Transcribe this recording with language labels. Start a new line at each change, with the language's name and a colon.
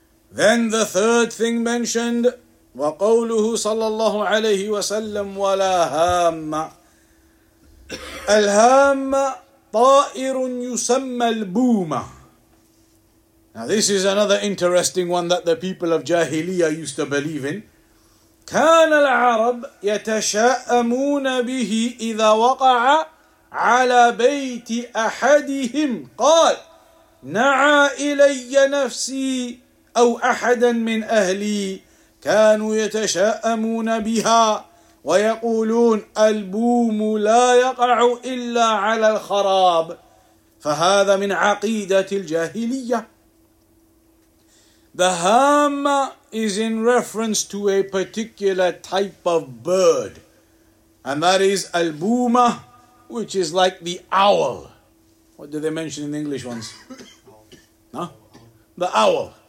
English: Then the third thing mentioned,
Arabic: وَقَوْلُهُ صَلَى اللَّهُ عَلَيْهِ وَسَلَّمْ وَلَا هَامَّ الْهَامَّ طَائِرٌ يُسَمَّ الْبُومَ.
English: Now this is another interesting one that the people of Jahiliyyah used to believe in.
Arabic: كان العرب يتشاءمون به إذا وقع على بيت أحدهم قال نعى إلي نفسي أو أحدا من أهلي كانوا يتشاءمون بها ويقولون البوم لا يقع إلا على الخراب فهذا من عقيدة الجاهلية.
English: The hamma is in reference to a particular type of bird, and that is albuma, which is like the owl. What do they mention in the English ones? No? The owl.